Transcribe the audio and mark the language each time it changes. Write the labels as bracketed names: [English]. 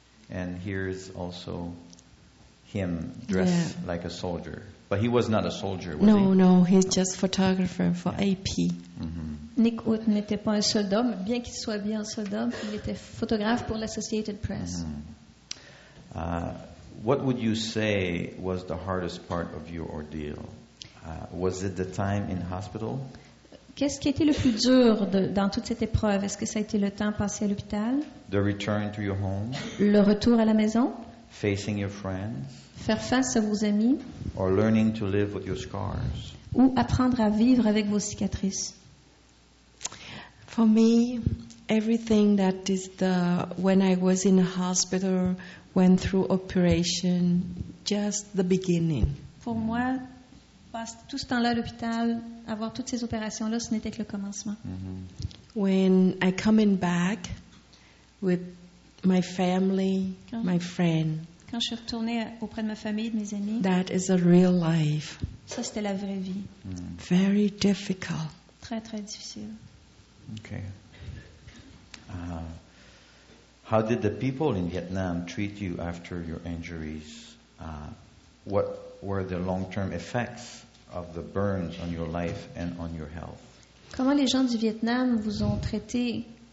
[English] And here is also him dressed like a soldier. But he was not a soldier, was no, he? No, he's just photographer for AP. [French] Nick Wood n'était pas un soldat, bien qu'il soit bien un soldat, il était photographe pour l'Associated Press. [English] What would you say was the hardest part of your ordeal? Was it the time in hospital? [French] Qu'est-ce qui a été le plus dur dans toute cette épreuve? Est-ce que ça a été le temps passé à l'hôpital? [English] The return to your home? [French] Le retour à la maison? [English] Facing your friends? [French] Faire face à vos amis? [English] Or learning to live with your scars? [French] Ou apprendre à vivre avec vos cicatrices? [English] For me, everything that is the when I was in a hospital, went through operation, just the beginning. [French] Pour moi, tout ce temps-là à l'hôpital, avoir toutes ces opérations-là, ce n'était que le commencement. [English] When I come in back with my family, my friend. [French] Quand je suis retournée auprès de ma famille, de mes amis. [English] That is a real life. [French] Ça, c'était la vraie vie. [English] Very difficult. [French] Très, très difficile. [English] Okay. How did the people in Vietnam treat you after your injuries? What were the long-term effects of the burns on your life and on your health? [French] Comment les gens du Vietnam vous ont traité